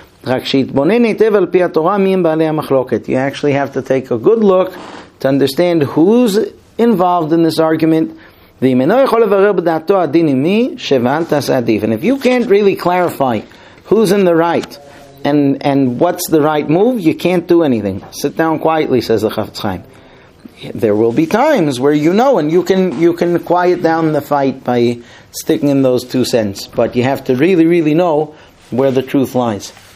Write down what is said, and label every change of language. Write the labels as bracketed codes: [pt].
[he] רק שיתבונן היטב על פי התורה מי הם בעלי המחלוקת. [en] You actually have to take a good look to understand who's involved in this argument. [he] ואם אינו יכול לברר בדעתו הדין עם מי, שבעל תעשה עדיף. [en] And if you can't really clarify who's in the right and what's the right move, you can't do anything. Sit down quietly, says the Chafetz Chaim. There will be times where you know and you can quiet down the fight by sticking in those two cents. But you have to really, really know where the truth lies.